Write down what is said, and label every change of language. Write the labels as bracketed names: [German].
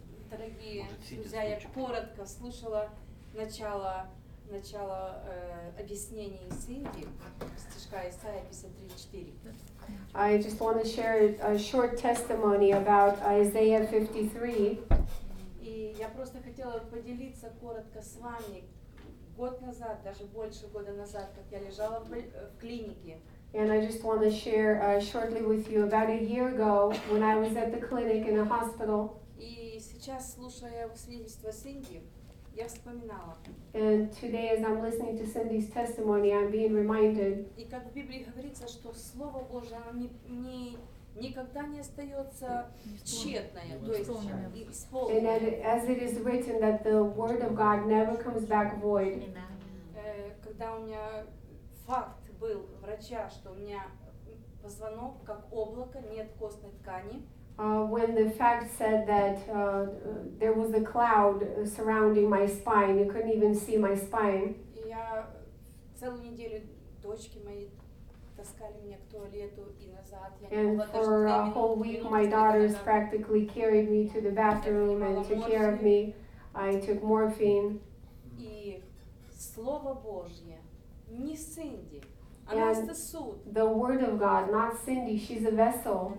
[Russian] Дорогие друзья, я коротко слушала начало объяснений Синди, стишка Исайя 53:4. [English] I just want to share a short testimony about Isaiah 53. [Russian] И я просто хотела поделиться коротко с вами. Год назад, даже больше года назад, как я лежала в клинике. [English] And I just want to share shortly with you about a year ago when I was at the clinic in a hospital. [Russian] И сейчас, слушая свидетельство Синди, я вспоминала. [English] And today, as I'm listening to Cindy's testimony, I'm being reminded. [Russian] И как в Библии говорится, что Слово Божие, оно никогда не остается тщетное, то есть исполненное. [English] And as it is written, that the Word of God never comes back void. [Russian] Когда у меня факт был врача, что у меня позвонок как облако, нет костной ткани. [English] When the fact said that there was a cloud surrounding my spine, you couldn't even see my spine. [Russian] Я целую неделю дочки мои таскали меня к туалету и назад. [English] And for a whole week, my daughters practically carried me to the bathroom and took care of me. I took morphine. [Russian] И слово Божье не Синди. And [English] the word of God, not Cindy, she's a vessel.